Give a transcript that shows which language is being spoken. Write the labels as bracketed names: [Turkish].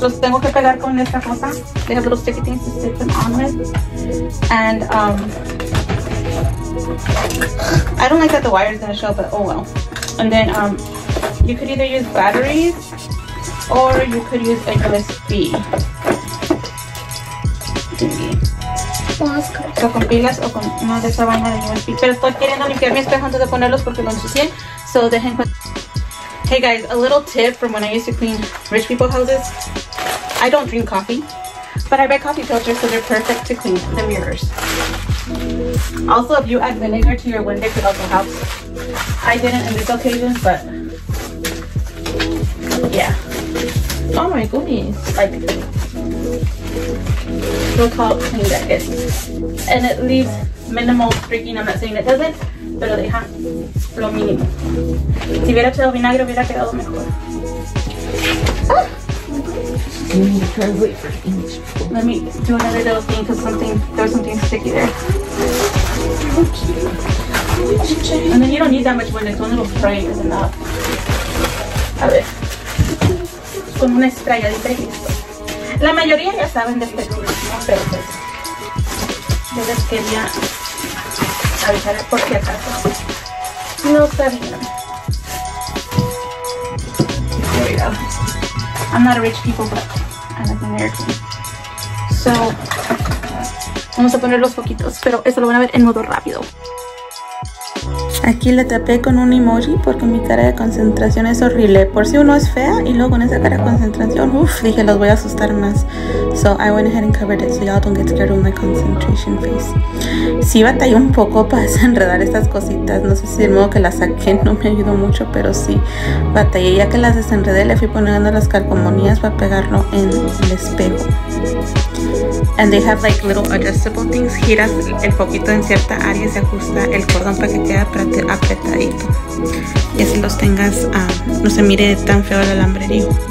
[Spanish] Los tengo que pegar con esta cosa. [English] They have little sticky things to stick them on with. And I don't like that the wire is gonna show, but oh well. And then you could either use batteries or you could use a USB. Well, [Spanish] so con pilas o con no de esa vaina de USB. Pero estoy queriendo limpiar mi espejo antes de ponerlos porque lo ensucié. So dejen. [English] Hey guys, a little tip from when I used to clean rich people houses. I don't drink coffee, but I buy coffee filters, so they're perfect to clean the mirrors. Also, if you add vinegar to your window, it could also help. I didn't in this occasion, but yeah. Oh my goodness! Like. Look how clean that is. And it leaves minimal streaking. I'm not saying it doesn't, [Spanish] pero deja lo mínimo. Si hubiera echado vinagre, hubiera quedado mejor. [English] Let me do another little thing because there's something sticky there. And then you don't need that much wind, it's one little spray, isn't that? [Spanish] A ver. Con una sprayadita. La mayoría ya saben de este turismo, pero pues yo les quería avisar por si acaso no sabían. [English] There we go. I'm not a rich people, but I'm an American. [Spanish] So, vamos a poner los poquitos, pero eso lo van a ver en modo rápido. Aquí le tapé con un emoji porque mi cara de concentración es horrible. Por si uno es fea y luego con esa cara de concentración, uff, dije los voy a asustar más. [English] So I went ahead and covered it so y'all don't get scared of my concentration face. [Spanish] Sí batallé un poco para desenredar estas cositas. No sé si el modo que las saqué no me ayudó mucho, pero sí batallé. Ya que las desenredé, le fui poniendo las calcomanías para pegarlo en el espejo. [English] And they have like little adjustable things. [Spanish] Giras el poquito en cierta área y se ajusta el cordón para que quede apretadito. Y así los tengas, no se mire tan feo el alambre, digo.